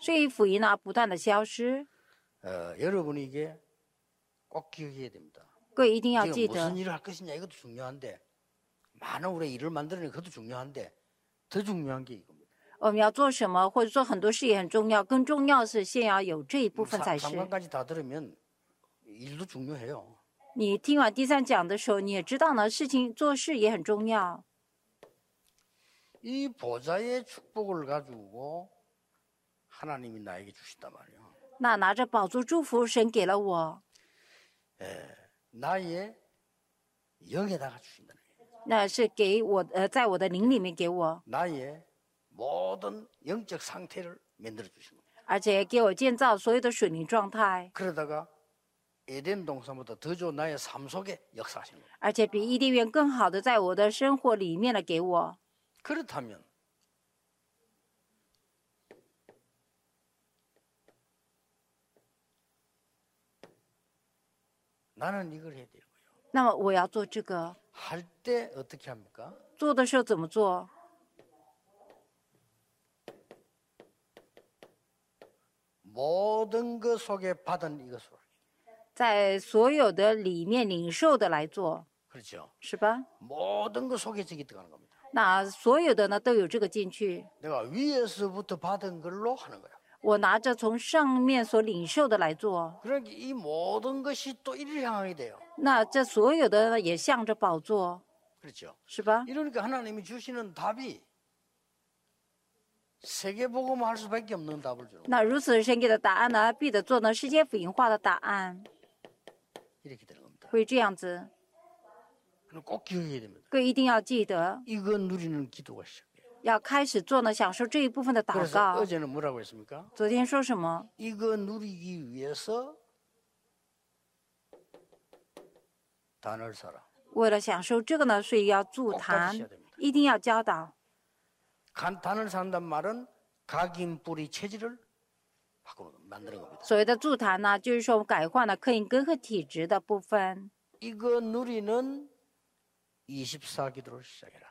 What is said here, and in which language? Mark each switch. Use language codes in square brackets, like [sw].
[zh] 所以福音呢不断的消失 [ko] 여러분에게꼭기억해야됩니다 [zh] 各位一定要记得 [ko] 무슨일을할것이냐이것도중요한데많은우리일을만드는것도중요한데더중요한게이겁니다 [zh] 我们要做什么或者做很多事也很重要更重要是先要有这一部分才是 [ko] 3관까지다들으면일도중요해요 [zh] 你听完第三讲的时候你也知道呢事情做事也很重要 [ko] 이보좌의축복을가지고하나님이나에게주신단말이에요 [zh] 那拿着宝座祝福神给了我 [ko] 나의영에다가주신다 [zh] 那是给我在我的灵里面给我 [ko] 나의모든영적상태를만들어주신다 [zh] 而且给我建造所有的属灵状态 [ko] 그러다가에덴동산보다더좋은나의삶속에역사하신다 [zh] 而且比伊甸园更好的在我的生活里面了给我 [ko] 그렇다면나는이걸해야되고요 [zh] 那么我要做这个 [ko] 할때어떻게합니까 [zh] 做的时候怎么做 [ko] 모든것속에받은이것으로 [zh] 在所有的里面领受的来做 [ko] 그렇죠. [zh] 是吧? [ko] 모든 거 속에 저기 들어가는 겁니다. [zh] 那所有的呢都有这个进去. [ko] 내가 위에서부터 받은 걸로 하는 거야. [zh] 我拿着从上面所领受的来做. [ko] 그러니까 이 모든 것이 또 이를 향하게 돼요. [zh] 那这所有的也向着宝座. [ko] 그렇죠. [zh] 是吧? [ko] 이러니까 하나님이 주시는 답이 세계복음화 할 수밖에 없는 답을 줘. [zh] 那如此神给的答案呢必得做呢世界福音化的答案. [ko] 이렇게 되는 겁니다. [zh] 会这样子. [ko] 꼭 기억해야 됩니다. [zh] 그一定要记得. [ko] 이건 누리는 기도가 시작돼요. [zh] 要开始做呢享受这一部分的祷告. [ko] 그래서 어제는 뭐라고 했습니까? [zh] 昨天说什么? [ko] 이거 누리기 위해서 단을 사라. [zh] 为了享受这个呢所以要筑坛一定要教导. [ko] 간단을 산단 말은 각인 뿌리 체질을 바꾸는 만드는 겁니다. [zh] 所谓的筑坛呢就是说改换了刻印根和体质的部分. [ko] 이거 누리는 24 기도를 시작해라.